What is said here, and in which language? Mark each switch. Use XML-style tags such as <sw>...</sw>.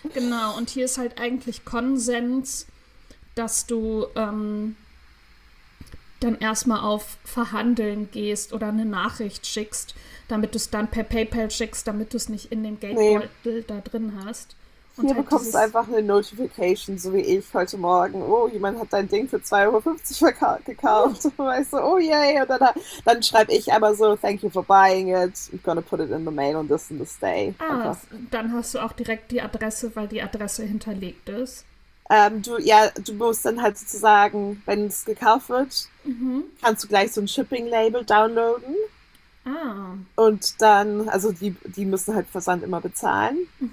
<de>Genau, und hier ist halt eigentlich Konsens, dass du dann erstmal auf Verhandeln gehst oder eine Nachricht schickst, damit du es dann per PayPal schickst, damit du es nicht in dem Geldbeutel da drin hast. Hier halt bekommst du einfach eine Notification, so wie ich heute Morgen. Oh, jemand hat dein Ding für 2,50 Euro gekauft. Und weißt du, oh yay. Und dann schreibe ich einmal so,</de> <en>thank you for buying it. I'm gonna put it in the mail on this and this day.</en> <de>Ah, dann hast du auch direkt die Adresse, weil die Adresse hinterlegt ist. Du musst dann halt sozusagen, wenn es gekauft wird, kannst du gleich so ein Shipping-Label downloaden. Ah. Und dann, also die müssen halt Versand immer bezahlen. Mhm.</de>